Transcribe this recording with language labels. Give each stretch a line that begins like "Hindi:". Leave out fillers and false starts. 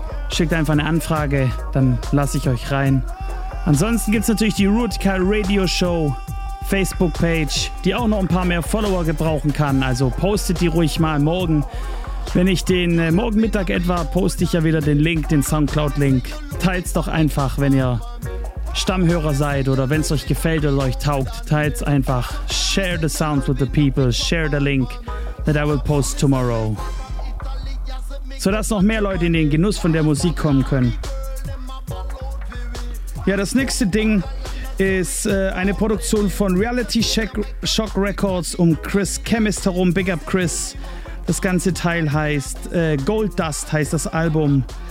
German: Schickt einfach eine Anfrage, dann lasse ich euch rein. Ansonsten gibt es natürlich die Rootikal Radio Show Facebook-Page, die auch noch ein paar mehr Follower gebrauchen kann. Also postet die ruhig mal morgen. Wenn ich den morgen Mittag etwa, poste ich ja wieder den Link, den Soundcloud-Link. Teilt es doch einfach, wenn ihr Stammhörer seid oder wenn es euch gefällt oder euch taugt. Teilt es einfach.
English: Share the sounds with the people. Share the link that I will post tomorrow.
German: Sodass noch mehr Leute in den Genuss von der Musik kommen können. Ja, das nächste Ding ist eine Produktion von Reality Shock Records um Chris Chemist herum. Big up, Chris. Das ganze Teil heißt Gold Dust, heißt das Album.